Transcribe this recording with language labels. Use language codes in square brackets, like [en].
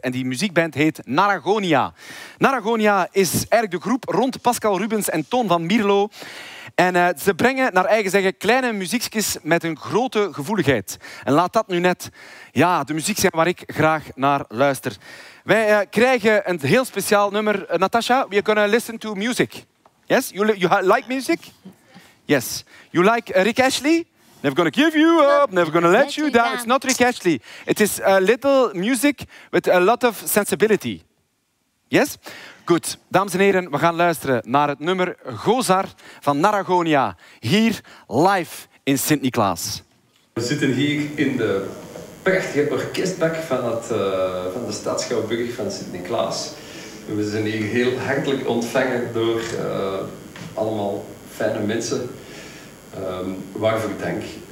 [nl] En die muziekband heet Naragonia. Naragonia is eigenlijk de groep rond Pascal Rubens en Toon van Mierlo. En ze brengen naar eigen zeggen kleine muziekjes met een grote gevoeligheid. En laat dat nu net de muziek zijn waar ik graag naar luister. Wij krijgen een heel speciaal nummer. [en] Natasha, we're gonna listen to music. Yes? You like music? Yes. You like Rick Astley? Never gonna give you up, never gonna let you down. It's not Rick Astley. It is a little music with a lot of sensibility. Yes? [nl] Goed, dames en heren, we gaan luisteren naar het nummer Gozar van Naragonia, hier live in Sint-Niklaas. We zitten hier in de prachtige orkestbak van de Stadsschouwburg van Sint-Niklaas. We zijn hier heel hartelijk ontvangen door allemaal fijne mensen. Waarvoor dank.